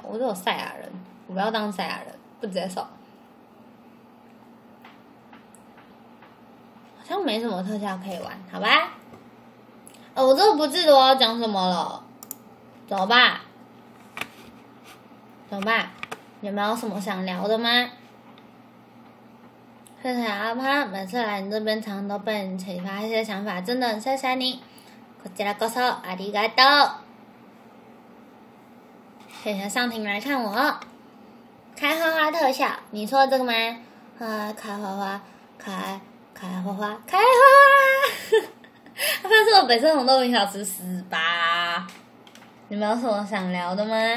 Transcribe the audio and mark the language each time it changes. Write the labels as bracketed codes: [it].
[zh] 我只有赛亚人，我不要当赛亚人，不接受。好像没什么特效可以玩，好吧？哦，我真的不记得我要讲什么了。走吧，走吧，有没有什么想聊的吗？谢谢阿帕，每次来你这边常常都被你启发一些想法，真的很谢谢你。 [ja] こちらこそありがとう。 [zh] 谢谢上庭来看我，开花花特效，你说这个吗？啊，开花花，开花花，开花花。阿帕是我北宋红豆冰小吃18。你们有什么想聊的吗？